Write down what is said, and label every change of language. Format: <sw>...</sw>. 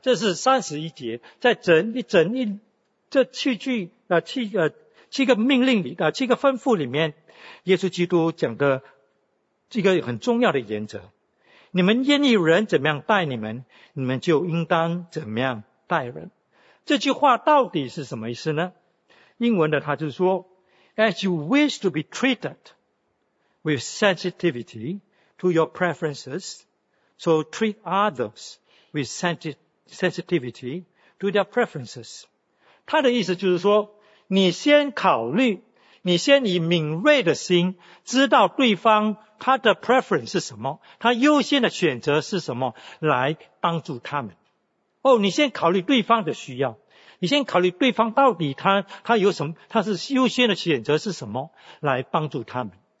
<zh>这是31节，在七个吩咐里面，耶稣基督讲的这个很重要的原则，你们愿意人怎么样待你们，你们就应当怎么样待人。这句话到底是什么意思呢？英文的他就说，</zh> <en>As you wish to be treated with sensitivity to your preferences, so treat others with sensitivity to their preferences.</en> <zh>他的意思就是说，你先考虑，你先以敏锐的心知道对方他的 preference 是什么，他优先的选择是什么，来帮助他们。你先考虑对方的需要，你先考虑对方到底他有什么，他是优先的选择是什么，来帮助他们。</zh>